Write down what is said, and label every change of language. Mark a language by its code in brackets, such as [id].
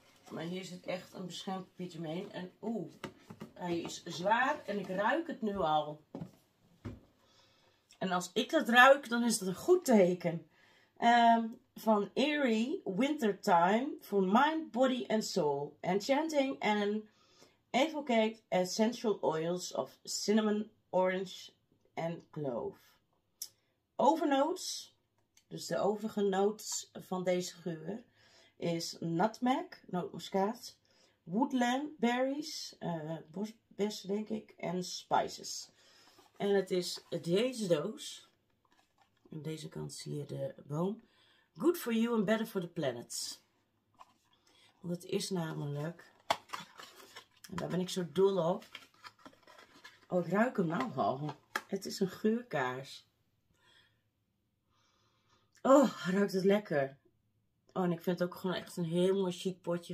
[nl] Maar hier zit echt een beschermd papiertje mee. En oeh, hij is zwaar en ik ruik het nu al. En als ik dat ruik, dan is dat een goed teken. Van Eerie Wintertime voor Mind, Body and Soul. [en] Enchanting and Evocate Essential Oils of Cinnamon, Orange and Clove. [nl] Overnotes, dus de overige notes van deze geur, is nutmeg, nootmuskaat, woodland berries, bosbessen denk ik, en spices. En het is deze doos. Aan deze kant zie je de boom. [en] Good for you and better for the planet. [nl] Want het is namelijk, en daar ben ik zo dol op. Oh, ik ruik hem nou al. Het is een geurkaars. Oh, ruikt het lekker. Oh, en ik vind het ook gewoon echt een heel mooi chic potje.